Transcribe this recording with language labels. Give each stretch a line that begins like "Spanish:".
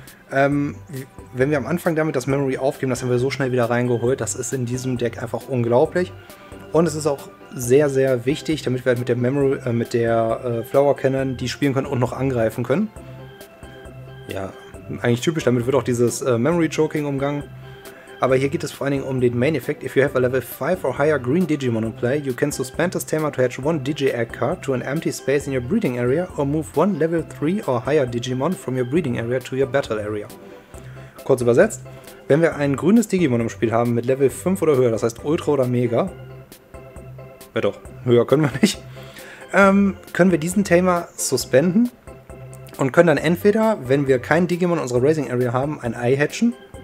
German: Wenn wir am Anfang damit das Memory aufgeben, das haben wir so schnell wieder reingeholt, das ist in diesem Deck einfach unglaublich. Und es ist auch sehr, sehr wichtig, damit wir halt mit der Memory, Flower Cannon die spielen können und noch angreifen können. Ja, eigentlich typisch, damit wird auch dieses Memory Choking umgangen. Aber hier geht es vor allen Dingen um den Main Effect.
English: If you have a level 5 or higher green Digimon in play, you can suspend this Tamer to hatch one Digi Egg card to an empty space in your breeding area or move one level 3 or higher Digimon from your breeding area to your battle area.
German: Kurz übersetzt, wenn wir ein grünes Digimon im Spiel haben mit Level 5 oder höher, das heißt Ultra oder Mega, ja doch, höher können wir nicht, können wir diesen Tamer suspenden und können dann entweder, wenn wir kein Digimon in unserer Raising Area haben, ein Ei hatchen.